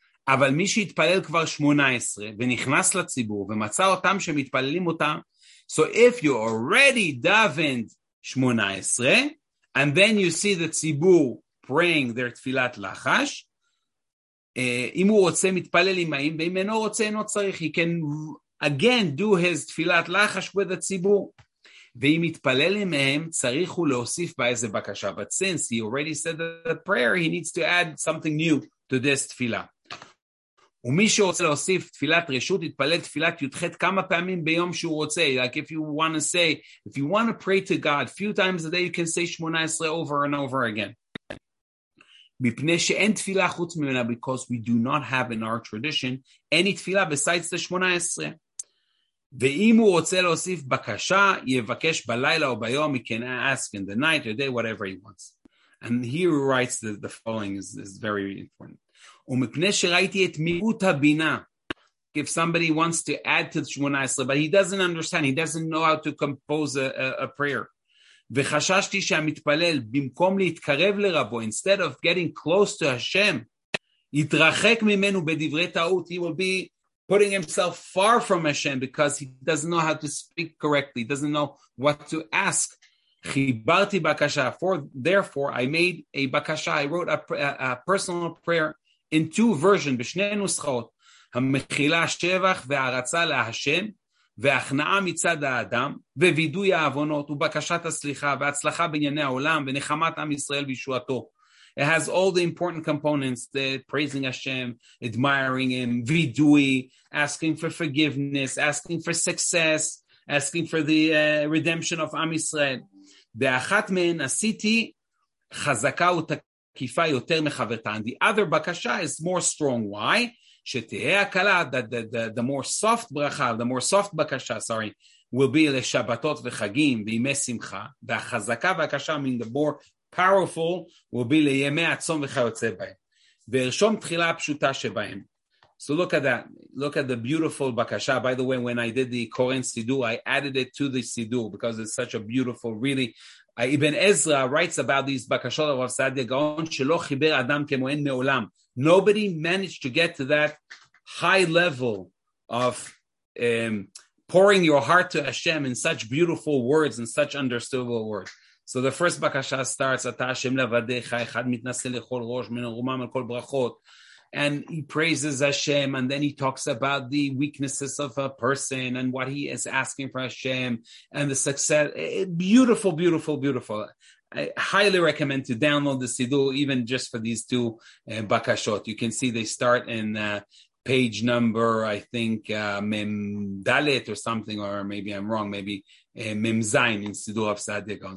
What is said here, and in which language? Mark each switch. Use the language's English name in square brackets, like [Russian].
[Hebrew] אבל מי שהתפלל כבר 18 ונכנס לציבור ומצא אותם שמתפללים אותם, [English] so if you already davened 18 and then you see the ציבור praying their תפילת לחש, [Hebrew] אם הוא רוצה מתפלל עמהם, ואם אינו רוצה אינו צריך, [English] he can again do his תפילת לחש with the ציבור, [Hebrew] ואם מתפלל עמהם צריך הוא להוסיף בה איזה בקשה, [English] but since he already said the prayer, he needs to add something new to this תפילה. [Hebrew] ומי שרוצה להוסיף תפילת רשות, יתפלל תפילת י"ח כמה פעמים ביום שהוא רוצה. [English] Like if you want to say, if you want to pray to God, few times a day you can say 18 over and over again. [Hebrew] מפני שאין תפילה חוץ ממנה, [English] because we do not have in our tradition any תפילה besides the 18. [Hebrew] ואם הוא רוצה להוסיף בקשה, יבקש בלילה או ביום, [English] he can ask in the night or day, whatever he wants. And here he writes that the following is very important. [Hebrew] ומפני שראיתי את מיעוט הבינה, [English] if somebody wants to add to the 18, but he doesn't understand, he doesn't know how to compose a prayer. [Hebrew] וחששתי שהמתפלל, במקום להתקרב לרבו, [English] instead of getting close to Hashem, [Hebrew] יתרחק ממנו בדברי טעות, [English] he will be putting himself far from Hashem, because he doesn't know how to speak correctly, he doesn't know what to ask. [Hebrew] חיברתי בקשה, [English] therefore I made a בקשה, I wrote a personal prayer, in two versions, [Hebrew] בשני נוסחאות, המכילה שבח והרצה להשם, והכנעה מצד האדם, ווידוי האבונות, ובקשת הסליחה, והצלחה בענייני העולם, ונחמת עם ישראל בישועתו. [English] It has all the important components, the praising Hashem, admiring Him, וידוי, asking for forgiveness, asking for success, asking for the redemption of עם ישראל. [Hebrew] באחת מהן עשיתי חזקה ותקפה, כיפה יותר מחברתן. [English] The other בקשה is more strong. Why? [Hebrew] שתהיה הקלה, [English] the more soft ברכה, the more soft בקשה, sorry, will be [Hebrew] לשבתות וחגים וימי שמחה, והחזקה והקשה, [English] I mean the more powerful, will be [Hebrew] לימי עצום וכיוצא בהם. וירשום תחילה הפשוטה שבהם. [English] So look at the beautiful בקשה. By the way, when I did the Koren Siddur, I added it to the Siddur because it's such a beautiful, really, Ibn Ezra writes about these bakashot of Rav Sadia Gaon, [Hebrew] שלא חיבר אדם כמוהן מעולם. [English] Nobody managed to get to that high level of pouring your heart to Hashem in such beautiful words, in such understandable words. So the first bakasha starts, [Hebrew] אתה השם לבדיך, אחד מתנסה לכל ראש, מנרומם על כל ברכות. [English] And he praises Hashem, and then he talks about the weaknesses of a person and what he is asking for Hashem and the success. Beautiful, beautiful, beautiful. I highly recommend to download the Siddur, even just for these two bakashot. You can see they start in page number, I think, Mem Dalet or something, or maybe I'm wrong, maybe Mem Zayin in Siddur of Sadegon.